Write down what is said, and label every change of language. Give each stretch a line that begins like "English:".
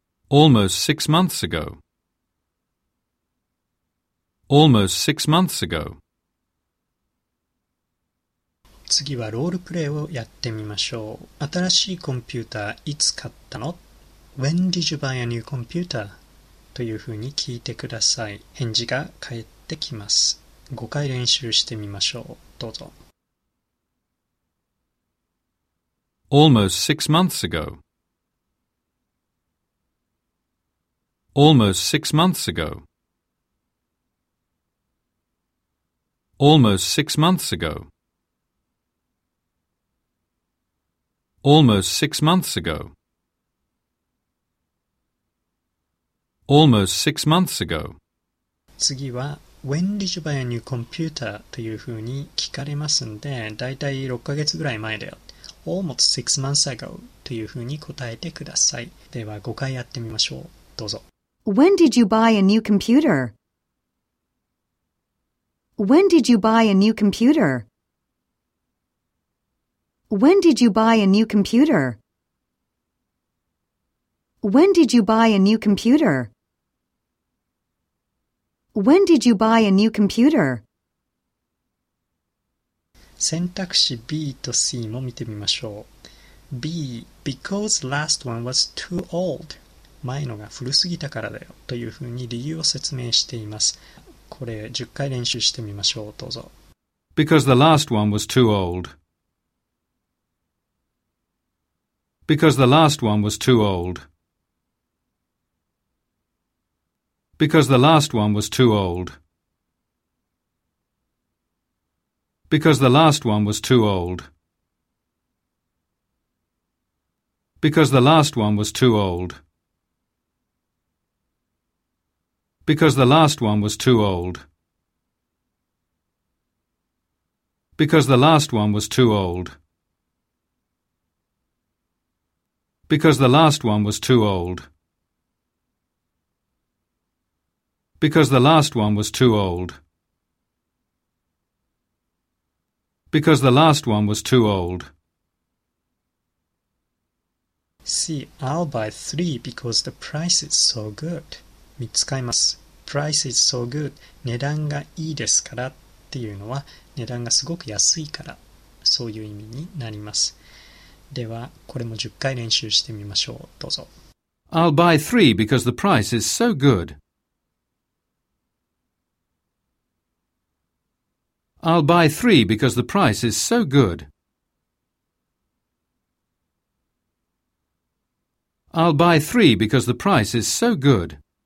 English: Almost 6 months ago. Almost 6 months ago.
Japanese: 次はロールプレイをやってみましょう。新しいコンピューター、いつ買ったの?
English: When did you buy a new computer?
Japanese: というふうに聞いてください。返事が返ってきます。 5回練習してみましょう。どうぞ。
English: Almost 6 months ago. Almost 6 months ago. Almost 6 months ago. Almost 6 months ago. Almost 6 months ago.
Japanese: 次は
English: When did you buy a new computer?
Japanese: というふうに聞かれますんで、だいたい6ヶ月ぐらい前だよ。
English: Almost 6 months ago
Japanese: というふうに答えてください。では5回やってみましょう。どうぞ。
English: When did you buy a new computer? When did you buy a new computer? When did you buy a new computer? When did you buy a new computer? When did you buy a new computer?
Japanese: 選択肢 B と C も見てみましょう。
English: B, because last one was too old.
Japanese: 前のが古すぎたからだよというふうに理由を説明しています。これ10回練習してみましょう。どうぞ。
English: Because the last one was too old. Because the last one was too old. Because the last one was too old. Because the last one was too old. Because the last one was too old. Because the last one was too old. Because the last one was too old. Because the last one was too old. Because the last one was too old. Because the last one was too old. See, I'll buy three because the price is so good.
Japanese: 3つ買います。
English: Price is so good.
Japanese: 値段がいいですからっていうのは、値段がすごく安いから、そういう意味になります。では、これも10回練習してみましょう。どうぞ。
English: I'll buy three because the price is so good. I'll buy three because the price is so good. I'll buy three because the price is so good.